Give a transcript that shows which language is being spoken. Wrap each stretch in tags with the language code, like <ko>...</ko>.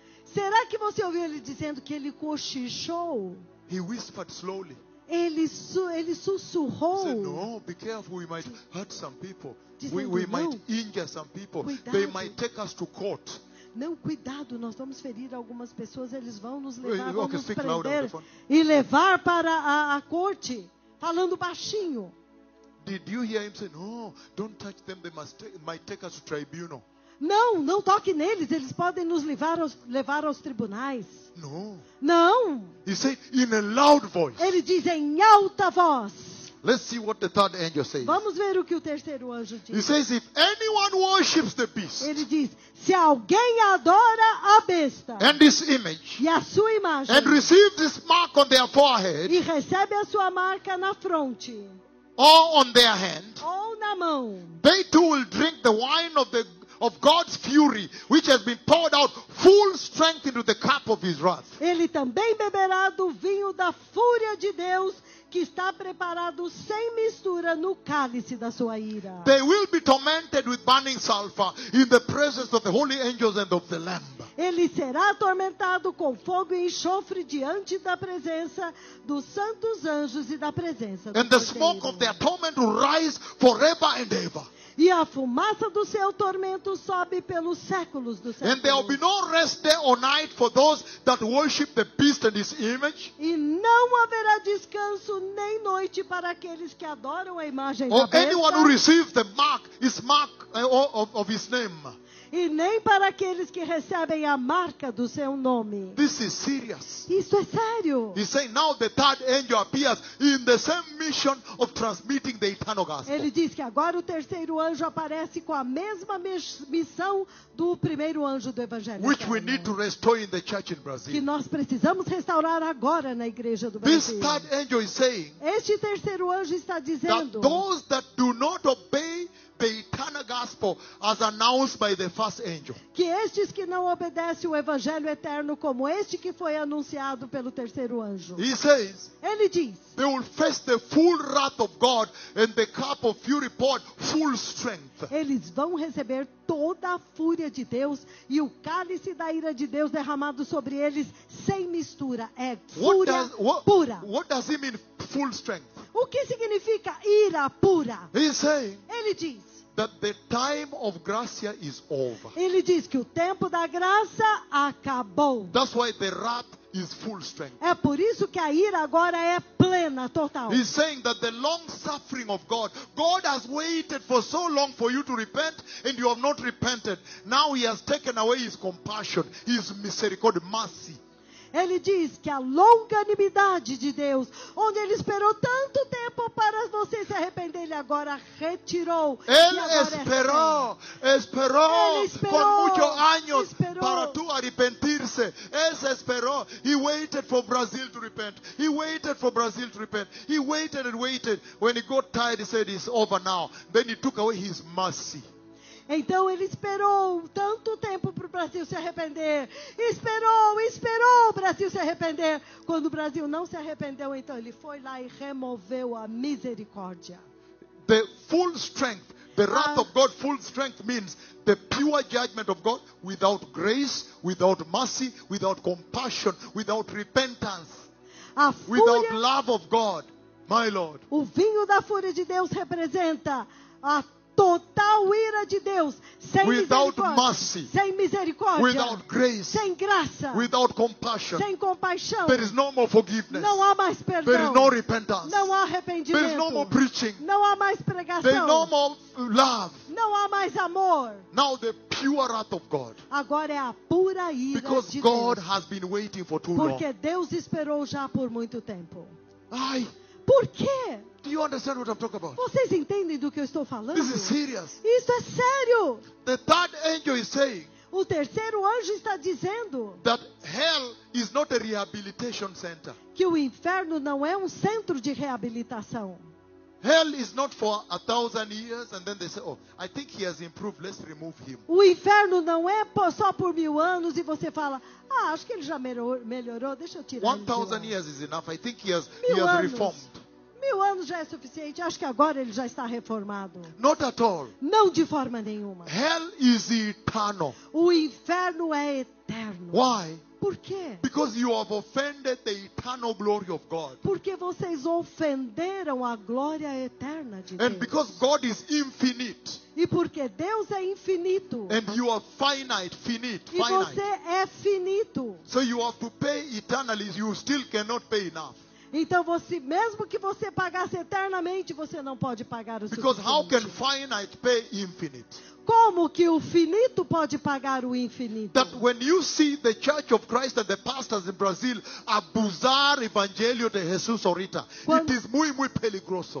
<pt>Será que você ouviu ele dizendo que ele cochichou?</pt> <en>He whispered slowly.</en> <pt>Ele sussurrou.</pt> <en>Said, no, be careful, we might hurt some people. We might injure some people.</en> <pt>Cuidado.</pt> <en>They might take us to court.</en> <pt>Não, cuidado, nós vamos ferir algumas pessoas, eles vão nos levar, vão nos prender e levar para a corte, falando baixinho.</pt> <en>Did you hear him say, no, don't touch them, they must might take us to tribunal.</en> <pt>Não, não toque neles, eles podem nos levar aos tribunais.</pt> <en>No.</en> <pt>Não.</pt> <en>He said in a loud voice.</en> <pt>Ele diz em alta voz.</pt> <en>Let's see what the third angel says.</en> <pt>Vamos ver o que o terceiro anjo diz.</pt> <en>He says, if anyone worships the beast.</en> <pt>Ele diz, se alguém adora a besta.</pt> <en>And this image.</en> <pt>E a sua imagem.</pt> <en>And receives this mark on their forehead.</en> <pt>E recebe a sua marca na fronte.</pt> <en>Or on their hand.</en> <pt>Ou na mão.</pt> <en>They too will drink the wine of God's fury, which has been poured out full strength into the cup of his wrath.</en> <pt>Ele também beberá do vinho da fúria de Deus, que está preparado sem mistura no cálice da sua ira.</pt> <en>They will be tormented with burning sulfur in the presence of the holy angels and of the Lamb.</en> <pt>Ele será atormentado com fogo e enxofre diante da presença dos santos anjos e da presença do</pt> <en>And</en> <pt>Cordeiro.</pt> <en>The smoke of their torment will rise forever and ever.</en> <pt>E a fumaça do seu tormento sobe pelos séculos dos séculos.</pt> <en>And there will be no rest day or night for those that worship the beast and his image.</en> <pt>E não haverá descanso nem noite para aqueles que adoram a imagem</pt> <en>or</en> <pt>da besta.</pt> <en>Anyone who receives the mark, his mark of his name.</en> <pt>E nem para aqueles que recebem a marca do seu nome.</pt> <en>This is serious.</en> <pt>Isso é sério.</pt> <en>He's saying now the third angel appears in the same mission of transmitting the eternal gospel.</en> <pt>Ele diz que agora o terceiro anjo aparece com a mesma missão do primeiro anjo do evangelho.</pt> <en>Which</en> <pt>eterno,</pt> <en>we need to restore in the church in Brazil.</en> <pt>Que nós precisamos restaurar agora na igreja do</pt> <en>This</en> <pt>Brasil.</pt> <en>Third angel is saying.</en> <pt>Este terceiro anjo está dizendo.</pt> <en>That those that do not obey the eternal gospel as announced by the first angel.</en> <pt>Que estes que não obedecem o evangelho eterno como este que foi anunciado pelo terceiro anjo.</pt> <en>He says.</en> <pt>Ele diz.</pt> <en>They will face the full wrath of God and the cup of fury poured full strength.</en> <pt>Eles vão receber toda a fúria de Deus e o cálice da ira de Deus derramado sobre eles sem mistura. É fúria pura.</pt> <en>What does he mean full strength?</en> <pt>O que significa ira pura?</pt> <en>He's saying.</en> <pt>Ele diz.</pt> <en>That the time of gracia is over.</en> <pt>Ele diz que o tempo da graça acabou.</pt> <en>That's why the wrath is full strength.</en> <pt>É por isso que a ira agora é plena, total.</pt> <en>He's saying that the long suffering of God, God has waited for so long for you to repent and you have not repented. Now he has taken away his compassion, his misericordia, mercy.</en> <pt>Ele diz que a longanimidade de Deus, onde ele esperou tanto tempo para você se arrepender, ele agora retirou. Ele esperou, por muitos anos para tu arrepentir-se. Ele esperou.</pt> <en>He waited for Brazil to repent. He waited for Brazil to repent. He waited and waited. When he got tired, he said, "It's over now." Then he took away his mercy.</en> <pt>Então ele esperou tanto tempo para o Brasil se arrepender. Esperou o Brasil se arrepender. Quando o Brasil não se arrependeu, então ele foi lá e removeu a misericórdia.</pt> <en>The full strength, the wrath of God, full strength means the pure judgment of God without grace, without mercy, without compassion, without repentance, without love of God, my Lord.</en> <pt>O vinho da fúria de Deus representa a total ira de Deus, sem</pt> <en>without mercy,</en> <pt>sem misericórdia,</pt> <en>without grace,</en> <pt>sem graça,</pt> <en>without compassion,</en> <pt>sem compaixão.</pt> <en>There is no more forgiveness.</en> <pt>Não há mais perdão.</pt> <en>There is no repentance.</en> <pt>Não há arrependimento.</pt> <en>There is no more preaching.</en> <pt>Não há mais pregação.</pt> <en>There is no more love.</en> <pt>Não há mais amor.</pt> <en>Now the pure wrath of God.</en> <pt>Agora é a pura ira de Deus.</pt> <en>Because God has been waiting for too long.</en> <pt>Porque Deus esperou já por muito tempo. Ai. Por quê?</pt> <en>Do you understand what I'm talking about?</en> <pt>Vocês entendem do que eu estou falando?</pt> <en>This is serious.</en> <pt>Isso é sério.</pt> <en>The third angel is saying.</en> <pt>O terceiro anjo está dizendo.</pt> <en>That hell is not a rehabilitation center.</en> <pt>Que o inferno não é um centro de reabilitação.</pt> <en>Hell is not for 1,000 years and then they say, I think he has improved, let's remove him.</en> <pt>O inferno não é só por 1,000 anos e você fala, acho que ele já melhorou, deixa eu tirar.</pt> <en>1,000 years is enough. I think he has reformed.</en> <pt>1,000 anos já é suficiente. Acho que agora ele já está reformado.</pt> <en>Not at all.</en> <pt>Não de forma nenhuma.</pt> <en>Hell is eternal.</en> <pt>O inferno é eterno.</pt> <en>Why?</en> <pt>Por quê?</pt> <en>Because you have offended the eternal glory of God.</en> <pt>Porque vocês ofenderam a glória eterna de Deus.</pt> <en>And because God is infinite.</en> <pt>E porque Deus é infinito.</pt> <en>And you are finite, finite,</en> <pt>e você</pt> <en>finite.</en> <pt>É finito.</pt> <en>So you have to pay eternally, you still cannot pay enough.</en> <pt>Então, você, mesmo que você pagasse eternamente, você não pode pagar o</pt> <en>Because</en> <pt>suficiente.</pt> <en>How can finite pay infinite?</en> <pt>Como que o finito pode pagar o infinito?</pt> <en>That when you see the Church of Christ and the pastors in Brazil</en> <pt>abusar Evangelho de Jesus ahorita,</pt> <en>it is</en> <pt>muito, muito peligroso.</pt>